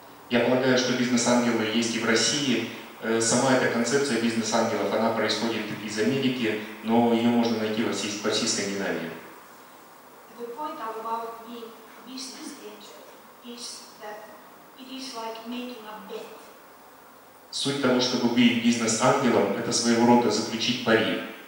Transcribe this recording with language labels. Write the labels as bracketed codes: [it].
[ru] Я полагаю, что бизнес-ангелы есть и в России. Сама эта концепция бизнес-ангелов, она происходит из Америки, но ее можно найти во всей Скандинавии. [en] The point about being a business angel is that it is like making a bet. [ru] Суть того, чтобы быть бизнес-ангелом, это своего рода заключить пари.